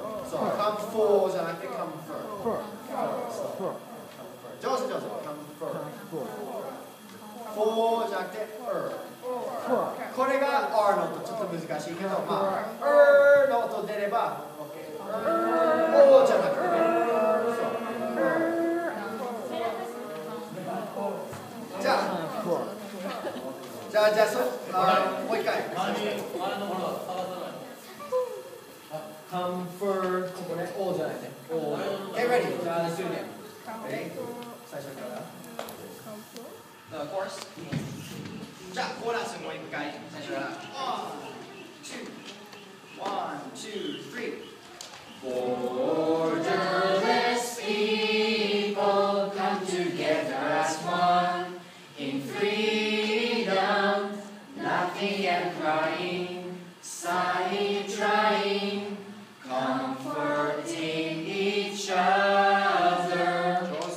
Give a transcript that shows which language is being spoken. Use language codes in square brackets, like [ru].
[en] So, comfort [ja] じゃなくて [en] comfort. [ja] 上手上手 comfort. For じゃなくて er. これが r の音ちょっと難しいけど、まあ er の音出れば OK. O じゃなくて。じゃあそう、もう一回。あれのほら。 Comfort, ここね、O じゃないね。 [en] O。 Hey, ready? [ja] じゃあ、一緒にね。最初から。 [en] Comfort? the course. [ja] じゃあコーラスもう一回最初から1 2 1 2 3 [en] Borderless people come together as one in freedom, laughing and crying, sighing, trying, comforting each other.